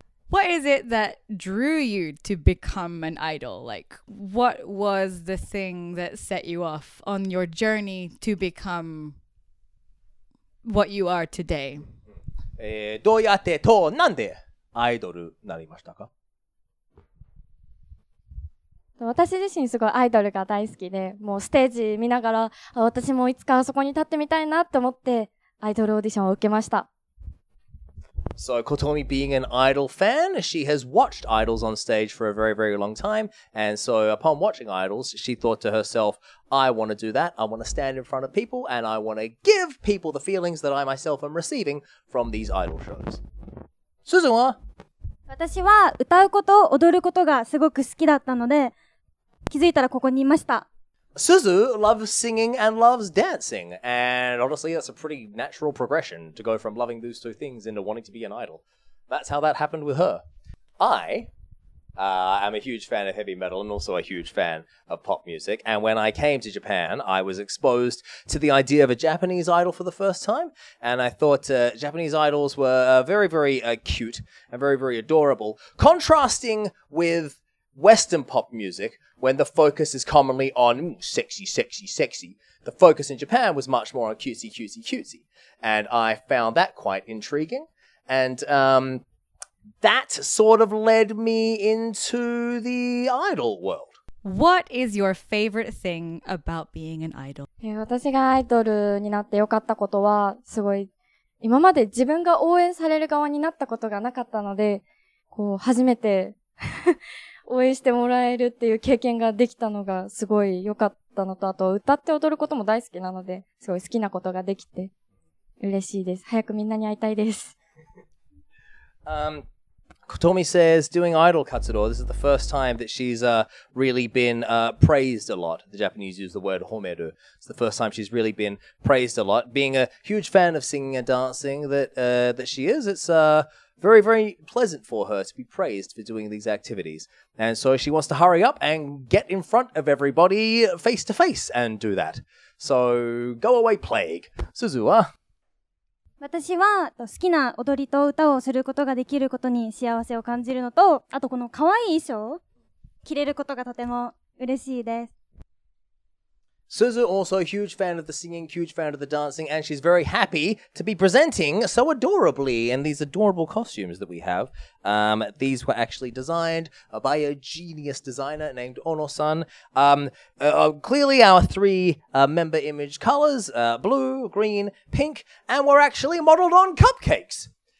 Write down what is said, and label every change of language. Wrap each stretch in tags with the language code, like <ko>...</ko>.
<en>What is it that drew you to become an idol? Like, what was the thing that set you off on your journey to become what you are today?</en> <ja>どうやってとなんでアイドルになりましたか？私自身すごいアイドルが大好きで、もうステージ見ながら、私もいつかあそこに立ってみたいなと思ってアイドルオーディションを受けました。</ja> <en>So Kotomi, being an idol fan, she has watched idols on stage for a very, very long time. And so upon watching idols, she thought to herself, I want to do that. I want to stand in front of people and I want to give people the feelings that I myself am receiving from these idol shows.</en> <ja>Suzu wa? 私は歌うこと、踊ることがすごく好きだったので、気づいたらここにいました。</ja> <en>Suzu loves singing and loves dancing, and honestly, that's a pretty natural progression to go from loving those two things into wanting to be an idol. That's how that happened with her. I am a huge fan of heavy metal and also a huge fan of pop music, and when I came to Japan, I was exposed to the idea of a Japanese idol for the first time, and I thought Japanese idols were very, very cute and very, very adorable, contrasting with Western pop music, when the focus is commonly on sexy, sexy, sexy. The focus in Japan was much more on cutesy, cutesy, cutesy. And I found that quite intriguing. And that sort of led me into the idol world. What is your favorite thing about being an idol?</en> <ja>私がアイドルになってよかったことは、すごい、今まで自分が応援される側になったことがなかったので、こう、初めて応援してもらえるっていう経験ができたのがすごい良かったのと、あと歌って踊ることも大好きなので、すごい好きなことができて嬉しいです。早くみんなに会いたいです。</ja> <en>Kotomi says, doing idol katsudo, this is the first time that she's really been praised a lot. The Japanese use the word homeru. It's the first time she's really been praised a lot. Being a huge fan of singing and dancing that she is, it's very, very pleasant for her to be praised for doing these activities. And so she wants to hurry up and get in front of everybody face to face and do that. So go away, plague.</en> <ja>Suzu wa? 私は好きな踊りと歌をすることができることに幸せを感じるのと、あとこの可愛い衣装を着れることがとても嬉しいです。</ja> <en>Suzu, also a huge fan of the singing, huge fan of the dancing, and she's very happy to be presenting so adorably in these adorable costumes that we have. These were actually designed by a genius designer named Ono-san. Clearly our three member image colors, blue, green, pink, and we're actually modeled on cupcakes.</en>